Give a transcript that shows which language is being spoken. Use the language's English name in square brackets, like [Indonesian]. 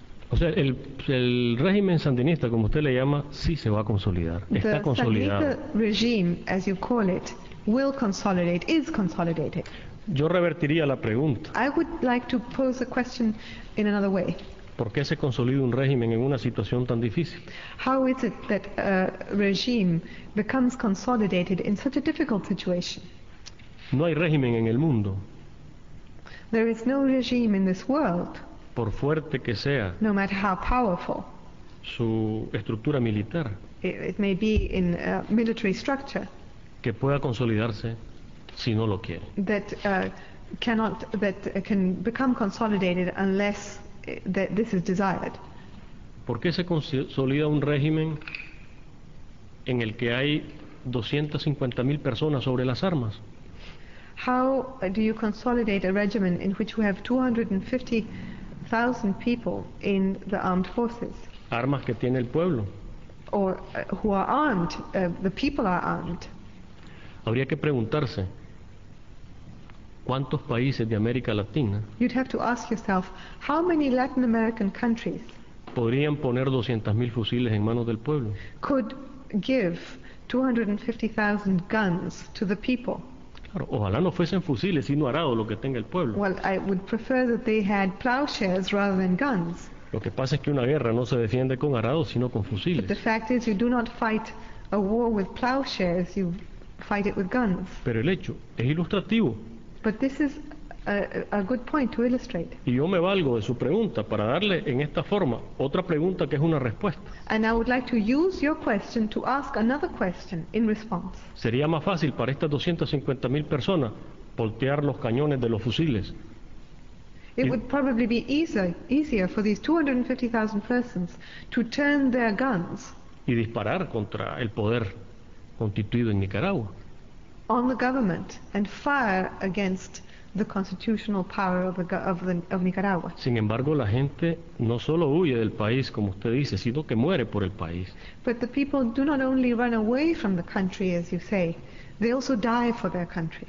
[Spanish] O sea, el régimen sandinista, como usted le llama, sí se va a consolidar. Está consolidado. [English] The Sandinista regime, as you call it, will consolidate, is consolidated. [Spanish] Yo revertiría la pregunta. [English] I would like to pose a question in another way. [Spanish] ¿Por qué se consolida un régimen en una situación tan difícil? [English] How is it that a regime becomes consolidated in such a difficult situation? [Spanish] No hay régimen en el mundo. [English] There is no regime in this world. [Spanish] Por fuerte que sea. [English] No matter how powerful. [Spanish] Su estructura militar. [English] It may be in a military structure. [Spanish] Que pueda consolidarse si no lo quiere. [English] That can become consolidated unless that this is desired. [Spanish] ¿Por qué se consolida un régimen en el que hay 250,000 personas sobre las armas? [English] How do you consolidate a regimen in which we have 250,000 people in the armed forces? [Spanish] Armas que tiene el pueblo. [English] Or who are armed, the people are armed. [Spanish] Habría que preguntarse ¿Cuántos países de América Latina? [English] You'd have to ask yourself, how many Latin American countries [Spanish] podrían poner 200,000 fusiles en manos del pueblo? [English] Could give 250,000 guns to the people. [Spanish] Claro, ojalá no fuesen fusiles, sino arado lo que tenga el pueblo. [English] Well, I would prefer that they had plowshares rather than guns. [Spanish] Lo que pasa es que una guerra no se defiende con arados, sino con fusiles. [English] But the fact is, you do not fight a war with plowshares, you fight it with guns. [Spanish] Pero el hecho es ilustrativo. [English] But this is a good point to illustrate. [Spanish] Y yo me valgo de su pregunta para darle en esta forma otra pregunta que es una respuesta. [English] And I would like to use your question to ask another question in response. [Spanish] Sería más fácil para estas 250,000 personas voltear los cañones de los fusiles. [English] It would probably be easier for these 250,000 persons to turn their guns [Spanish] y disparar contra el poder constituido en Nicaragua. [English] On the government and fire against the constitutional power of Nicaragua. [Spanish] Sin embargo, la gente no solo huye del país, como usted dice, sino que muere por el país. [English] But the people do not only run away from the country, as you say, they also die for their country.